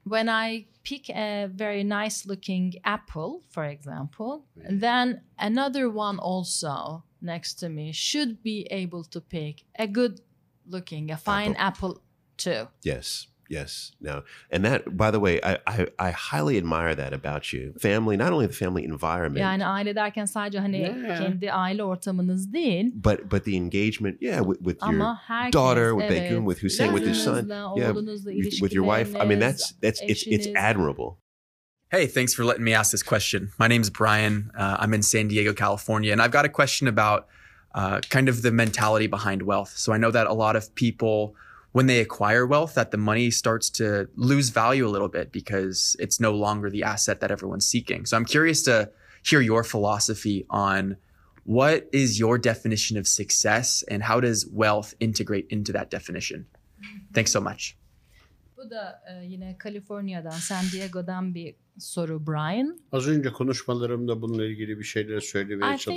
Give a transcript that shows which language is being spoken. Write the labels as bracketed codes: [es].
[en] when I pick a very nice looking apple, for example, then another one also next to me should be able to pick a good looking, a fine apple, too. Yes, yes. Now, and that, by the way, I highly admire that about you. Family, not only the family environment. [tr] Yani aile derken sadece hani kendi aile ortamınız değil. [en] But the engagement, with your daughter, with Begüm, with Hüseyin, with your son, with your wife. I mean, that's it's admirable. Hey, thanks for letting me ask this question. My name's Brian. I'm in San Diego, California, and I've got a question about kind of the mentality behind wealth. So I know that a lot of people, when they acquire wealth, that the money starts to lose value a little bit because it's no longer the asset that everyone's seeking. So I'm curious to hear your philosophy on what is your definition of success and how does wealth integrate into that definition? Thanks so much. [tr] Bu da yine California'dan, San Diego'dan bir soru Brian. Az önce konuşmalarımda bununla ilgili bir şeyler söylemeye çalıştım.